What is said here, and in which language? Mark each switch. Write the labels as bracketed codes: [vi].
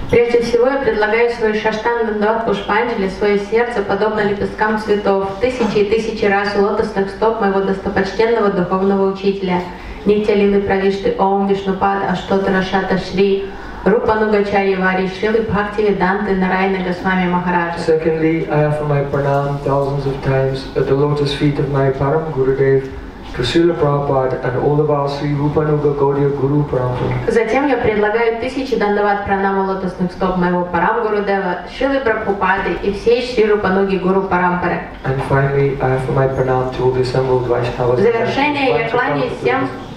[ru] Прежде всего я предлагаю свою шаштангу Дандават Пушпанджали, свое сердце, подобно лепесткам цветов, тысячи и тысячи раз у лотосных стоп моего достопочтенного духовного учителя, Нитялины Правишты Ом Вишнупад Аштотара Шата Шри Рупанугачари Вари Шрилы Бхакти Веданты Нараяна Госвами Махараджа. [en] Secondly, I offer my pranam thousands of times at the lotus feet of my Param Gurudev, Srila Prabhupada and all of our Sri Rupanuga Gaudiya Guru Parampara. [ru] Затем я предлагаю тысячи дандават пранам у лотосных стоп моего Парам Гурудева, Шрилы Прабхупады и всей Шри Рупануги Гуру Парампары. [en] And finally, I offer my pranam to all the assembled Vaishnavas. [ru] В завершение я кланяюсь всем